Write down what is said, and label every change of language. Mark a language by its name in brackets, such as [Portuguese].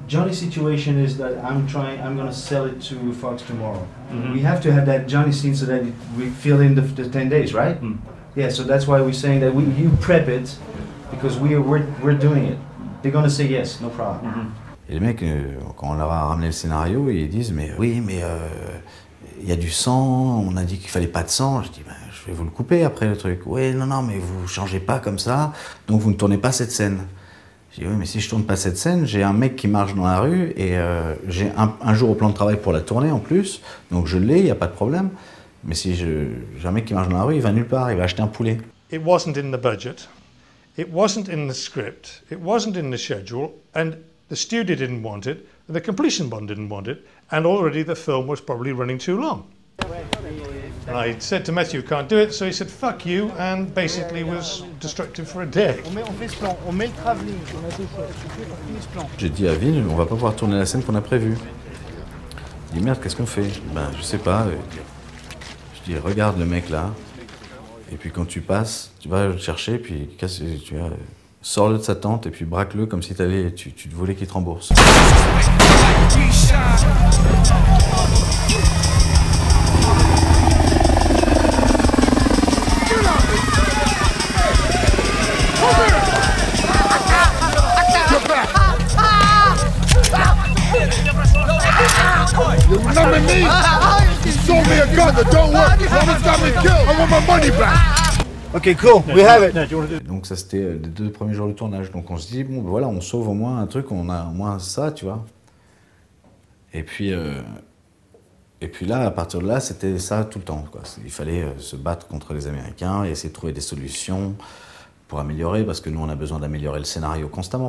[English] Johnny's situation is that I'm going to sell it to Fox tomorrow. Mm-hmm. We have to have that Johnny scene so that we fill in the 10 days, right? Mm. Yeah, so that's why we're saying that you prep it, because we're doing it. They're going to say yes, no problem. Mm-hmm. [French] Et les mecs, quand on leur a ramené le scénario, ils disent, mais oui, mais... il y a du sang, on a dit qu'il fallait pas de sang. Je dis, ben, je vais vous le couper après le truc. Oui, non, mais vous changez pas comme ça, donc vous ne tournez pas cette scène. Je dis, oui, mais si je tourne pas cette scène, j'ai un mec qui marche dans la rue et j'ai un jour au plan de travail pour la tourner en plus, donc je l'ai, il n'y a pas de problème. Mais si j'ai un mec qui marche dans la rue, il va nulle part, il va acheter un poulet. [English] It wasn't in the budget, it wasn't in the script, it wasn't in the schedule, and the studio didn't want it, and the completion bond didn't want it, and already the film was probably running too long. I said to Matthew, can't do it, so he said, fuck you, and basically was destructive for a day. [French] J'ai dit à Vin, on va pas pouvoir tourner la scène qu'on a prévue. Il dit, merde, qu'est-ce qu'on fait? Ben, je sais pas. Je dis, regarde le mec là, et puis quand tu passes, tu vas le chercher, puis sors-le de sa tente et puis braque-le comme si t'allais, tu te voulais qu'il te rembourse. [English] You remember me? You sold me a gun that don't work. You almost got me killed. I want my money back. Ok, cool, we have it. [French] Donc ça, c'était les deux premiers jours de tournage. Donc on se dit, bon, ben voilà, on sauve au moins un truc, on a au moins ça, tu vois. Et puis là, à partir de là, c'était ça tout le temps, quoi. Il fallait se battre contre les Américains et essayer de trouver des solutions pour améliorer, parce que nous, on a besoin d'améliorer le scénario constamment.